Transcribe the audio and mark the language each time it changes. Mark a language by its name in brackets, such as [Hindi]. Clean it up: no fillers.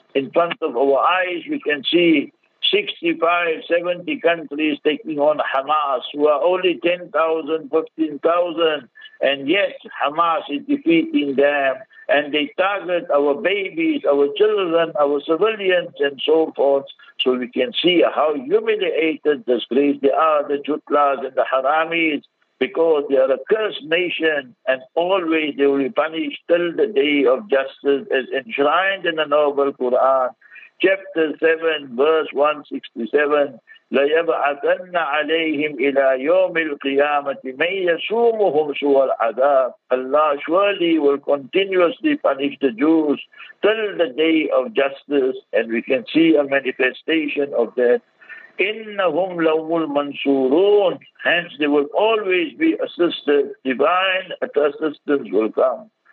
[English] In front of our eyes we can see 65, 70 countries taking on Hamas, who are only 10,000, 15,000, and yet Hamas is defeating them, and they target our babies, our children, our civilians, and so forth. So we can see how humiliated, disgraced they are, the Jutlas and the Haramis, because they are a cursed nation, and always they will be punished till the day of justice, as enshrined in the noble Quran. Chapter 7, verse 167, [Arabic] لَيَبْعَثَنَّ عَلَيْهِمْ إِلَىٰ يَوْمِ الْقِيَامَةِ مَنْ يَسُومُهُمْ سُوَ الْعَذَابِ. [English] Allah surely will continuously punish the Jews till the day of justice, and we can see a manifestation of that. [Arabic] إِنَّهُمْ لَهُمُ الْمَنْصُورُونَ. [English] Hence they will always be assisted. Divine assistance will come.